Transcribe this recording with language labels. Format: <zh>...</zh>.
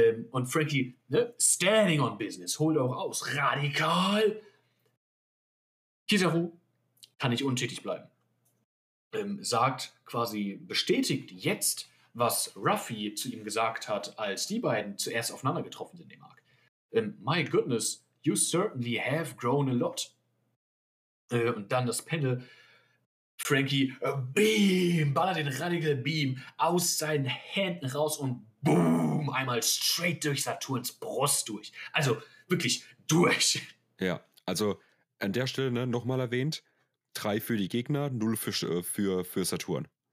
<de>Und Frankie, ne,</de> <en>standing on business,</en> <de>holt auch aus, radikal. Kizaru kann nicht untätig bleiben. Sagt quasi, bestätigt jetzt, was Ruffy zu ihm gesagt hat, als die beiden zuerst aufeinander getroffen sind im Arc.</de> <en>My goodness, you certainly have grown a lot.</en> <de>Und dann das Pendel. Frankie, beam, ballert den Radical Beam aus seinen Händen raus und boom, einmal straight durch Saturns Brust durch. Also wirklich durch. Ja, also an der Stelle ne, nochmal erwähnt, 3 für die Gegner, 0 für Saturn.</de>